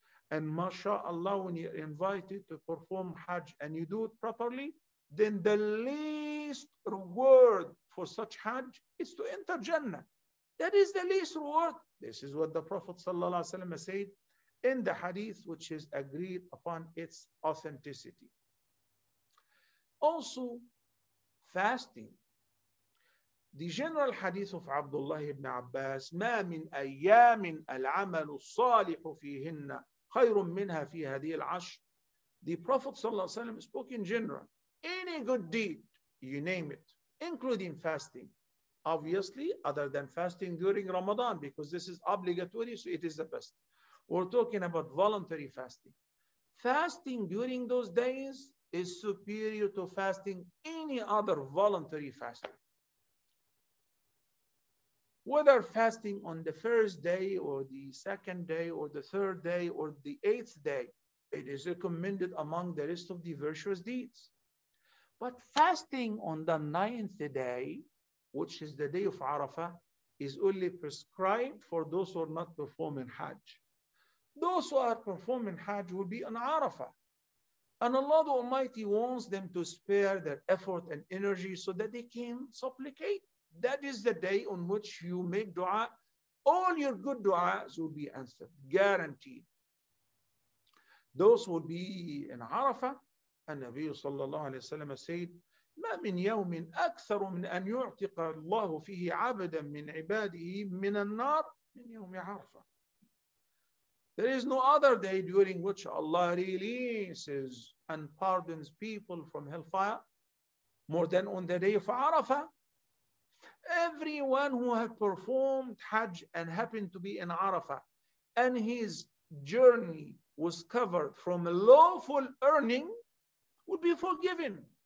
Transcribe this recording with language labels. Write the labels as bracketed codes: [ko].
[en] And mashallah, when you're invited to perform Hajj and you do it properly, then the least reward for such Hajj is to enter Jannah. That is the least reward. This is what the Prophet sallallahu alaihi wasallam said in the hadith, which is agreed upon its authenticity. Also, fasting. The general hadith of Abdullah ibn Abbas, [ar] ما من أيام العمل الصالح فيهن خير منها في هذه العشر. [en] The Prophet [ar] صلى الله عليه وسلم [en] spoke in general. Any good deed, you name it, including fasting. Obviously, other than fasting during Ramadan, because this is obligatory, so it is the best. We're talking about voluntary fasting. Fasting during those days is superior to fasting any other voluntary fasting. Whether fasting on the first day or the second day or the third day or the eighth day, It is recommended among the list of the virtuous deeds. But fasting on the ninth day, which is the day of Arafah, is only prescribed for those who are not performing Hajj. Those who are performing Hajj will be on Arafah. And Allah the Almighty wants them to spare their effort and energy so that they can supplicate. That is the day on which you make dua. All your good du'as will be answered, guaranteed. Those will be in Arafah. And Nabi sallallahu alayhi wa sallam said, [ar] مَا مِنْ يَوْمٍ أَكْثَرُ مِنْ أَنْ يُعْتِقَ اللَّهُ فِيهِ عَبَدًا مِنْ عِبَادِهِ مِنَ النَّارِ مِنْ يَوْمِ عَرْفَةٍ. [en] There is no other day during which Allah releases and pardons people from hellfire more than on the day of Arafah. Everyone who had performed Hajj and happened to be in Arafah and his journey was covered from lawful earning would be forgiven.